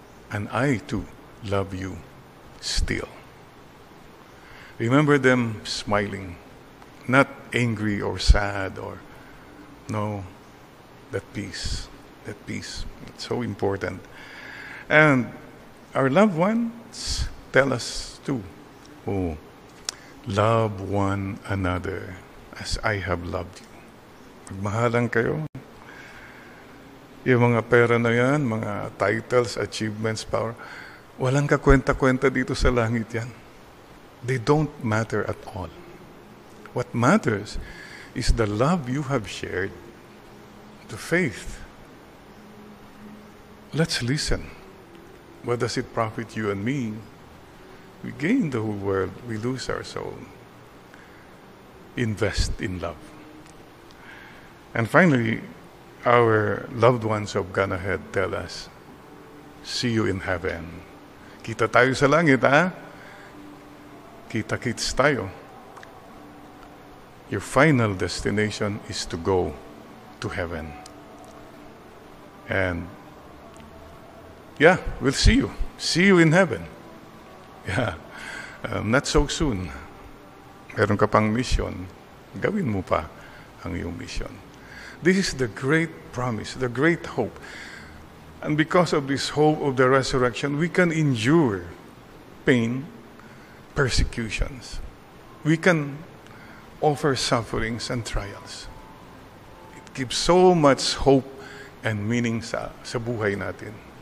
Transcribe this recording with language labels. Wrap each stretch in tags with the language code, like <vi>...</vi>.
<en>And I too love you. Still. Remember them smiling, not angry or sad or no, That peace, it's so important. And our loved ones tell us too, oh, love one another as I have loved you.</en> <tl>Magmahalan kayo. Yung mga pera na yan, mga titles, achievements, power, walang kakwenta-kwenta dito sa langit yan.</tl> <en>They don't matter at all. What matters is the love you have shared, the faith. Let's listen. What does it profit you and me? We gain the whole world, we lose our soul. Invest in love. And finally, our loved ones of Gone Ahead tell us, see you in heaven.</en> <tl>Kita tayo sa langit, ha? Kita-kits tayo.</tl> <en>Your final destination is to go to heaven. And yeah, we'll see you. See you in heaven. Yeah, not so soon.</en> <tl>Meron ka pang</tl> <en>mission.</en> <tl>Gawin mo pa ang iyong mission.</tl> <en>This is the great promise, the great hope. And because of this hope of the resurrection, we can endure pain, persecutions. We can offer sufferings and trials. It gives so much hope and meaning</en> <tl>sa buhay natin.</tl>